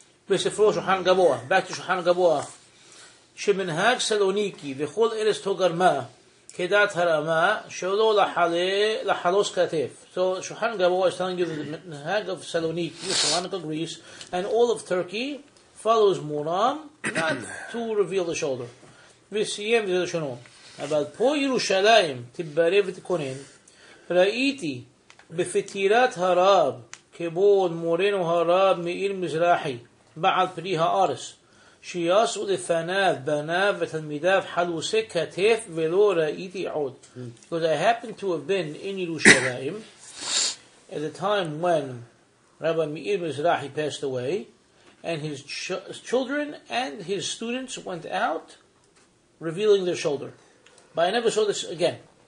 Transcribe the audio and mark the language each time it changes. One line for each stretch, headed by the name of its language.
Hebrew: בספרו שולחן גבוה,
English: back to
Hebrew: שולחן גבוה, שמנהג סלוניקי וכל ארץ תוגרמה, כדעת הרמה, שלא לחלוס כתף.
English: So שולחן גבוה is telling you that the minhag of Saloniki, Salonika, Greece, and all of Turkey, follows Muram, not to reveal the shoulder.
Hebrew: וסיים וזה שונו. אבל פה ירושלים, תברא ותכונן, ראיתי בפטירת הרב, כמו מורנו הרב מאיר מזרחי, בעל פרי הארץ, שיעשו לפניו בניו ותלמידיו חלוסי כתף ולא ראיתי עוד.
English: Because I happened to have been in Yerushalayim at the time when Rabbi Meir Mizrahi passed away, and his children and his students went out revealing their shoulder. But I never saw this again.